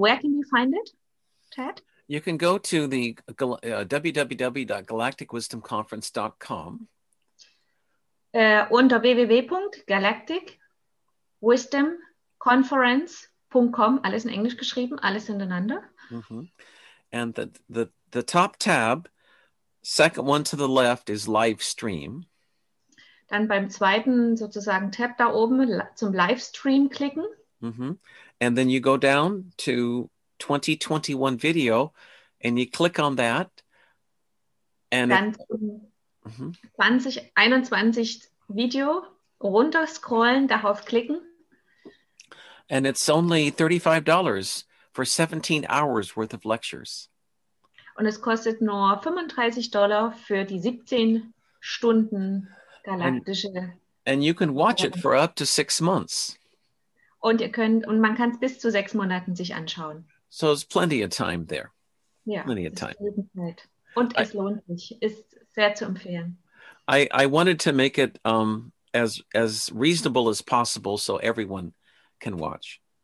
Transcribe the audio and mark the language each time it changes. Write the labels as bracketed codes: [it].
[en] Where can you find it, Ted? You can go to the www.galacticwisdomconference.com. [de] Unter www.galacticwisdomconference.com, alles in Englisch geschrieben, alles hintereinander. Mm-hmm. [en] And the top tab, second one to the left, is live stream. [de] Dann beim zweiten sozusagen Tab da oben zum Livestream klicken. Mm-hmm. [en] And then you go down to 2021 video and you click on that. [de] And dann mm-hmm. 2021 Video runter scrollen, darauf klicken. [en] And it's only $35 for 17 hours worth of lectures. [de] Und es kostet nur $35 für die 17 Stunden galaktische. [en] And you can watch it for up to 6 months. [de] Und man kann es bis zu 6 Monaten sich anschauen. [en] So there's plenty of time there. [de] Ja, [en] plenty of time. [de] Und es lohnt sich. Ist sehr zu empfehlen. [en] I wanted to make it as reasonable as possible so everyone can watch.